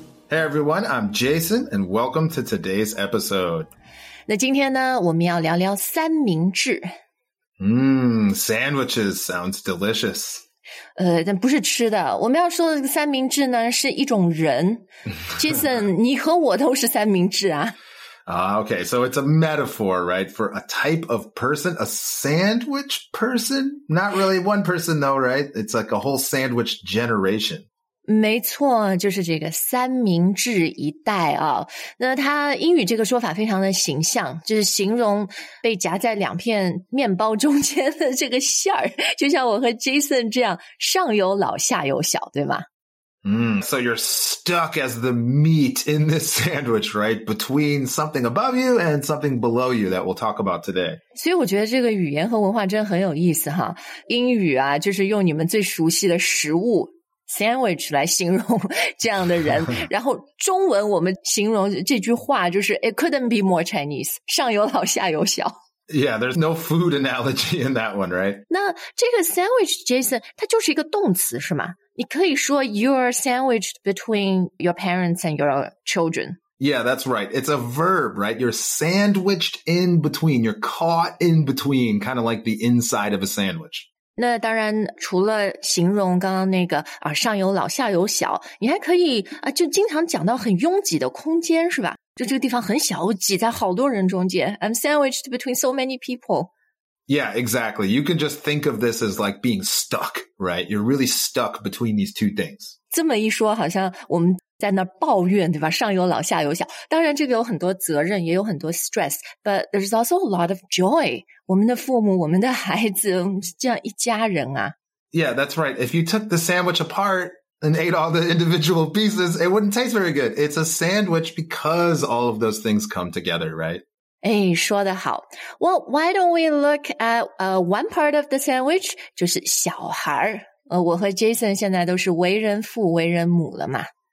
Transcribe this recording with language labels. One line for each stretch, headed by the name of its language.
English: Hey everyone, I'm Jason, and welcome to today's episode.
Chinese: 那今天呢，我们要聊聊三明治。
English: Sandwiches sounds delicious.
Chinese: 但不是吃的，我们要说的这个三明治呢，是一种人。 Jason, 你和我都是三明治啊。
English: Okay, so it's a metaphor, right, for a type of person, a sandwich person? Not really one person, though, right? It's like a whole sandwich generation.
Chinese: 没错，就是这个三明治一代啊。那它英语这个说法非常的形象，就是形容被夹在两片面包中间的这个馅儿，就像我和 Jason 这样，上有老，下有小，对吗？
English: So you're stuck as the meat in this sandwich, right? Between something above you and something below you that we'll talk about today.
Chinese: 所以我觉得这个语言和文化真的很有意思哈。英语啊，就是用你们最熟悉的食物 sandwich 来形容这样的人。然后中文我们形容这句话就是
English: it couldn't be more Chinese,
Chinese: 上有老下有小。
English: Yeah, there's no food analogy in that one, right?
Chinese: 那这个 sandwich, Jason, 它就是一个动词是吗？你可以说
English: you're sandwiched between your parents and your children. Yeah, that's right. It's a verb, right? You're sandwiched in between. You're caught in between, kind of like the inside of a sandwich.
Chinese: 那当然除了形容刚刚那个啊上有老下有小，你还可以啊就经常讲到很拥挤的空间是吧？就这个地方很小，挤在好多人中间。
English: I'm sandwiched between so many people. Yeah, exactly. You can just think of this as like being stuck, right? You're really stuck between these two things.
Chinese: 这么一说，好像我们在那抱怨，对吧？上有老，下有小。当然，这个有很多责任，也有很多 stress.
English: But there's also a lot of joy.
Chinese: 我们的父母，我们的孩子，我们这样一家人啊。
English: Yeah, that's right. If you took the sandwich apart and ate all the individual pieces, it wouldn't taste very good. It's a sandwich because all of those things come together, right?
Chinese: 哎，说得好。
English: Well, why don't we look at one part of the sandwich?
Chinese: 就是小孩。我和 Jason 现在都是为人父、为人母了嘛。